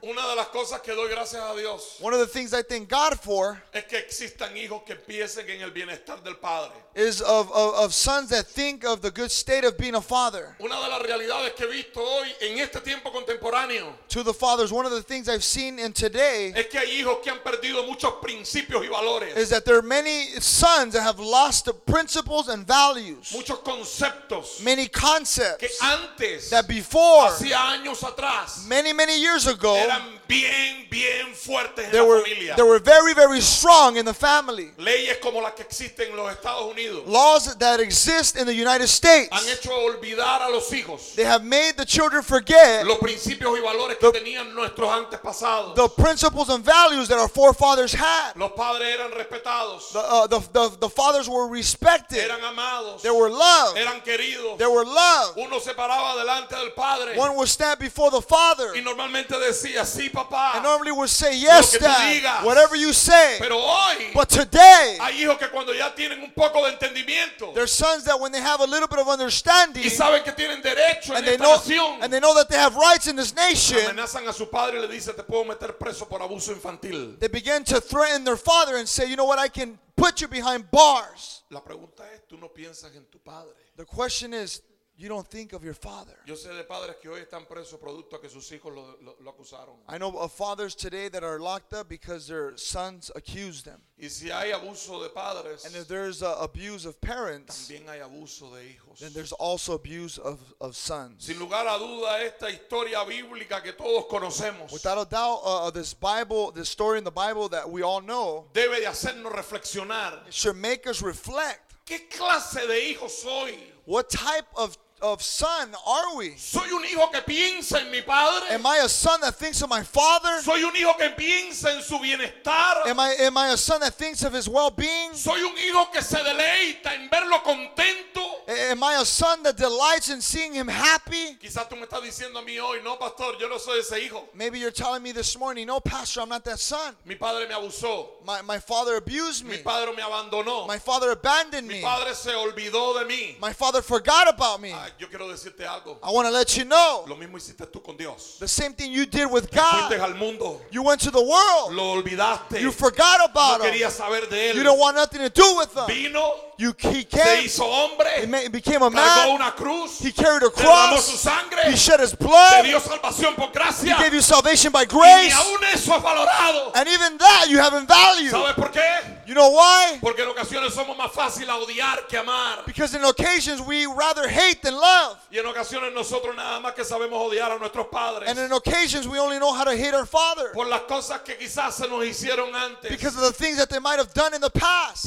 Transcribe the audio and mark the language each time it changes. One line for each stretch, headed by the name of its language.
Spanish: Una de las cosas que doy gracias a Dios,
English: one of the things I thank God for,
Spanish: es que existan hijos que empiecen en el bienestar del padre,
English: is of sons that think of the good state of being a father.
Spanish: Una de las realidades que he visto hoy en este tiempo contemporáneo,
English: to the fathers, one of the things I've seen in today,
Spanish: es que hay hijos que han perdido muchos principios y valores,
English: is that there are many sons that have lost the principles and values,
Spanish: muchos conceptos,
English: many concepts,
Spanish: que antes,
English: that before,
Spanish: hacía años atrás,
English: many, many years ago,
Spanish: eran bien, bien fuertes en
English: they
Spanish: la familia.
English: They were very, very strong in the family.
Spanish: Leyes como las que existen en los Estados Unidos,
English: laws that exist in the United States,
Spanish: han hecho olvidar a los hijos,
English: they have made the children forget
Spanish: los principios y valores que tenían nuestros antepasados,
English: the principles and values that our forefathers had.
Spanish: Los padres eran respetados,
English: the fathers were respected,
Spanish: eran amados,
English: they were loved,
Spanish: eran queridos,
English: they were loved.
Spanish: Uno se paraba delante del padre,
English: one would stand before the father,
Spanish: y normalmente decía, sí, papá,
English: and normally would say, yes,
Spanish: lo que
English: dad,
Spanish: digas,
English: whatever you say.
Spanish: Pero hoy,
English: but today,
Spanish: hay hijos que cuando ya tienen un poco de entendimiento,
English: there are sons that when they have a little bit of understanding,
Spanish: y saben que tienen derecho
English: and,
Spanish: en esta nación,
English: and they know that they have rights in this nation,
Spanish: amenazan a su padre y le dicen, te puedo meter preso por abuso infantil.
English: They begin to threaten their father and say, you know what, I can put you behind bars.
Spanish: La pregunta es, ¿tú no piensas en tu padre?
English: The question is, You don't think of your father.
Spanish: Yo sé de padres que hoy están presos producto a que sus hijos lo acusaron.
English: I know of fathers today that are locked up because their sons accused them.
Spanish: Y si hay abuso de padres,
English: and if there's abuse of parents,
Spanish: también hay abuso de hijos.
English: Then there's also abuse of sons.
Spanish: Sin lugar a duda, esta historia bíblica que todos conocemos,
English: without a doubt, this story in the Bible that we all know,
Spanish: debe de hacernos reflexionar.
English: It should make us reflect.
Spanish: ¿Qué clase de hijo soy?
English: What type of son are we?
Spanish: Soy un hijo que piensa en mi padre.
English: Am I a son that thinks of my father?
Spanish: Soy un hijo que piensa en su bienestar.
English: Am I a son that thinks of his well-being?
Spanish: Soy un hijo que se deleita en verlo contento.
English: Am I a son that delights in seeing him happy?
Spanish: Quizás tú me estás diciendo a mí hoy, no, pastor, yo no soy ese hijo.
English: Maybe you're telling me this morning, no, pastor, I'm not that son.
Spanish: Mi padre me abusó.
English: My father abused me.
Spanish: Mi padre me abandonó.
English: My father abandoned me.
Spanish: Mi padre se olvidó de mí.
English: My father forgot about me.
Spanish: Yo quiero decirte algo.
English: I want to let you know.
Spanish: Lo mismo hiciste tú con Dios.
English: The same thing you did with God.
Spanish: Fuiste al mundo.
English: You went to the world.
Spanish: Lo olvidaste.
English: You forgot about
Spanish: no quería saber de él.
English: You don't want nothing to do with him.
Spanish: Vino.
English: He came.
Spanish: Se hizo hombre.
English: He became a man.
Spanish: Cargó una cruz.
English: He carried a cross.
Spanish: Derramó su sangre.
English: He shed his blood.
Spanish: Te dio salvación por gracia.
English: He gave you salvation by grace.
Spanish: Y aún eso es valorado.
English: And even that you haven't valued.
Spanish: ¿Sabes por qué?
English: You know why?
Spanish: Porque en ocasiones somos más fácil a odiar que amar.
English: Because in occasions we rather hate than love.
Spanish: Y en ocasiones nosotros nada más que sabemos odiar a nuestros padres.
English: And in occasions we only know how to hate our father.
Spanish: Por las cosas que quizás se nos hicieron antes.
English: Because of the things that they might have done in the past.